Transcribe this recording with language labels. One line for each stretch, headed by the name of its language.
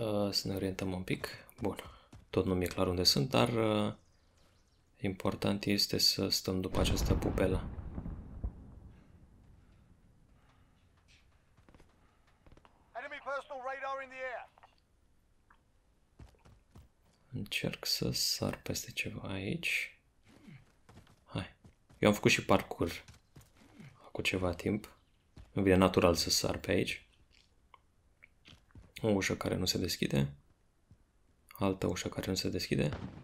Romanian: Să ne orientăm un pic. Bun. Tot nu mi-e clar unde sunt, dar important este să stăm după această pupelă.
English: Enemy personal radar in the air.
Romanian: Încerc să sar peste ceva aici. Hai. Eu am făcut și parkour acum ceva timp. Îmi vine natural să sar pe aici. O ușă care nu se deschide. Altă ușă care nu se deschide.